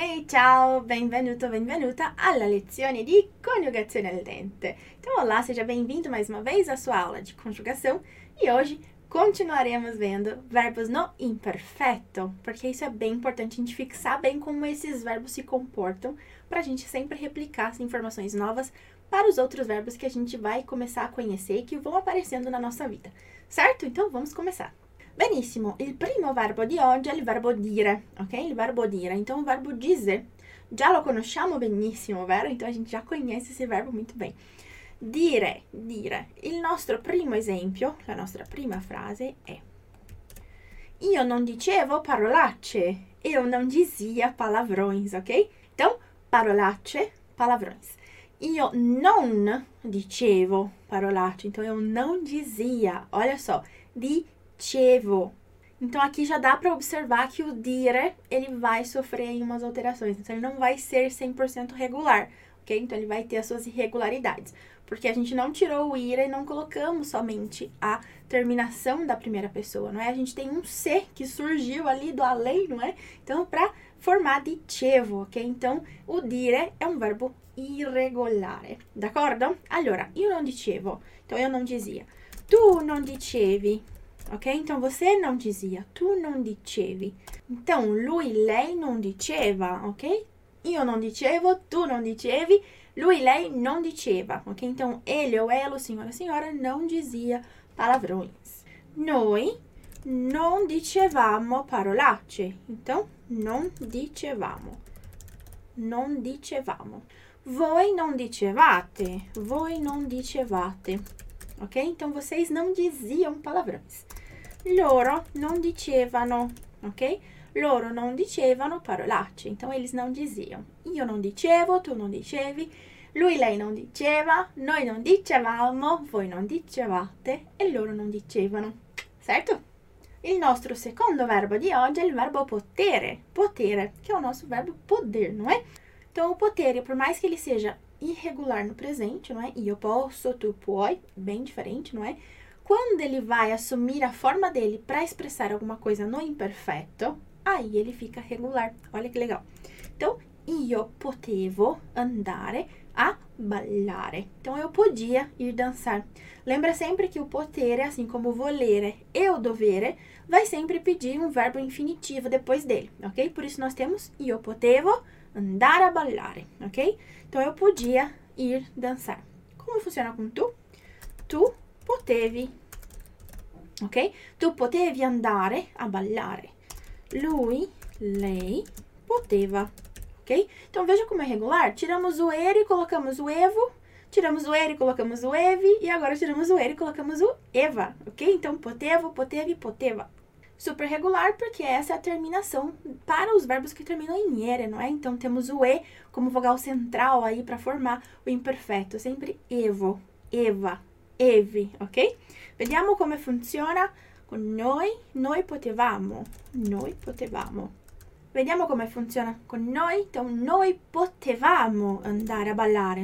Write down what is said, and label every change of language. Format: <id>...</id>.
<it>Ciao, benvenuto, benvenuta alla lezione di coniugazione al dente.</it> <pt>Então, olá, seja bem-vindo mais uma vez à sua aula de conjugação. E hoje continuaremos vendo verbos no imperfeito, porque isso é bem importante a gente fixar bem como esses verbos se comportam, para a gente sempre replicar as informações novas para os outros verbos que a gente vai começar a conhecer e que vão aparecendo na nossa vida. Certo? Então, vamos começar.</pt> <it>Benissimo, il primo verbo di oggi è il verbo dire, ok? Il verbo dire,</it> <pt>então o verbo dizer,</pt> <it>già lo conosciamo benissimo, vero?</it> <pt>Então a gente já conhece esse verbo muito bem.</pt> <it>Dire, dire. Il nostro primo esempio, la nostra prima frase è: io non dicevo parolacce,</it> <pt>io non dizia palavrões,</pt> <it>ok?</it> <pt>Então, parolacce, palavrões.</pt> <it>Io non dicevo parolacce,</it> <pt>então eu não dizia, olha só, di Dicevo. Então, aqui já dá para observar que o dire, ele vai sofrer aí umas alterações. Então, ele não vai ser 100% regular, ok? Então, ele vai ter as suas irregularidades. Porque a gente não tirou o ire e não colocamos somente a terminação da primeira pessoa, não é? A gente tem um se que surgiu ali do além, não é? Então, para formar dicevo, ok? Então, o dire é um verbo irregolare,</pt> <it>d'accordo? Allora, io non dicevo.</it> <pt>Então, eu não dizia.</pt> <it>Tu non dicevi. Ok?</it> <pt>Então você não dizia,</pt> <it>tu não dicevi.</it> <pt>Então</pt> <it>lui, lei non diceva, ok? Io non dicevo, tu non dicevi, lui, lei non diceva, ok?</it> <pt>Então ele ou ela, o senhor ou a senhora não dizia palavrões.</pt> <it>Noi non dicevamo parolacce. Então non dicevamo. Non dicevamo. Voi non dicevate. Voi non dicevate. Ok?</it> <pt>Então vocês não diziam palavrões.</pt> <it>Loro non dicevano, ok? Loro non dicevano parolacce,</it> <pt>então eles não diziam.</pt> <it>Io non dicevo, tu non dicevi, lui, lei non diceva, noi non dicevamo, voi non dicevate e loro non dicevano, certo? Il nostro secondo verbo di oggi è il verbo potere, potere, che è il nostro verbo poder, non è?</it> <pt>Então, o potere, por mais que ele seja irregular no presente, não é?</pt> <it>Io posso, tu puoi,</it> <pt>bem diferente, não é? Quando ele vai assumir a forma dele para expressar alguma coisa no imperfeito, aí ele fica regular. Olha que legal. Então,</pt> <it>io potevo andare a ballare.</it> <pt>Então, eu podia ir dançar. Lembra sempre que o potere, assim como o</pt> <it>volere e o dovere,</it> <pt>vai sempre pedir um verbo infinitivo depois dele, ok? Por isso nós temos</pt> <it>io potevo andare a ballare,</it> <pt>ok? Então, eu podia ir dançar. Como funciona com tu?</pt> <it>Tu potevi.</it> <pt>Ok?</pt> <it>Tu potevi andare a ballare. Lui, lei, poteva. Ok?</it> <pt>Então veja como é regular. Tiramos o ere e colocamos o evo. Tiramos o ere e colocamos o evi. E agora tiramos o ere e colocamos o eva. Ok? Então potevo, potevi, poteva. Super regular porque essa é a terminação para os verbos que terminam em ere, não é? Então temos o e como vogal central aí para formar o imperfeito. Sempre evo, eva. Evi, ok?</pt> <it>Vediamo come funziona con noi. Noi potevamo. Noi potevamo. Vediamo come funziona con noi.</it> <pt>Então,</pt> <it>noi potevamo andare a ballare.</it>